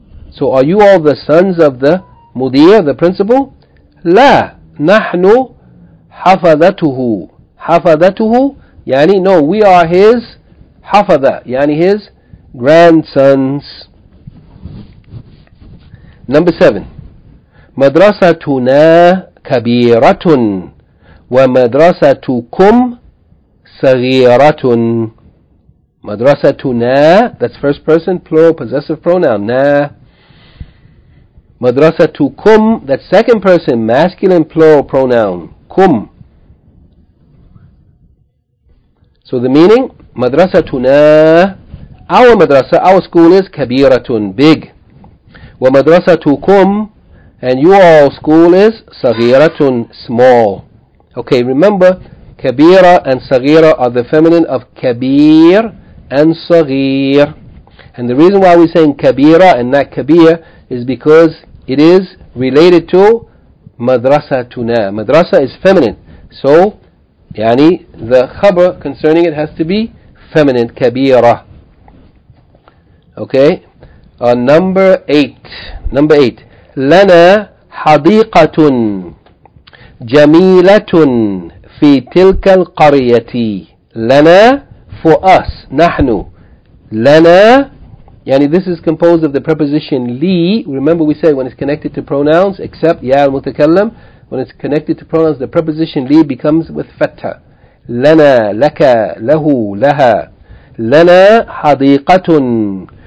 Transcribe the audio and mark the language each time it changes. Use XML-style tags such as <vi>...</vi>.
<en>So are you all the sons of the مدير, the principal?</en> <ar>لا نحن حفظته. حفظته يعني</ar> <en>no, we are his</en> <ar>حفظة يعني</ar> <en>his grandsons. Number 7.</en> <ar>مدرستنا كبيرة ومدرستكم صغيرة.</ar> <en>مدرستنا, that's first person plural possessive pronoun, نا. مدرستكم, that's second person masculine plural pronoun, كم. So the meaning, مدرستنا, our مدرسة, our school is كبيرة, big. ومدرستكم, and you all school is صغيرة, small. Okay, remember, كبيرة and صغيرة are the feminine of كبير and صغير. And the reason why we're saying كبيرة and not كبير is because it is related to مدرستنا. مدرسة is feminine. So, يعني the خبر concerning it has to be feminine, كبيرة. Okay. Number eight.</en> <ar>لنا حديقة جميلة في تلك القرية. لنا</ar> <en>for us.</en> <ar>نحن. لنا.</ar> <en>يعني this is composed of the preposition لي. Remember we said when it's connected to pronouns except يا المتكلم. When it's connected to pronouns the preposition لي becomes with فتح.</en> <ar>لنا لك له لها. لنا حديقة.</ar>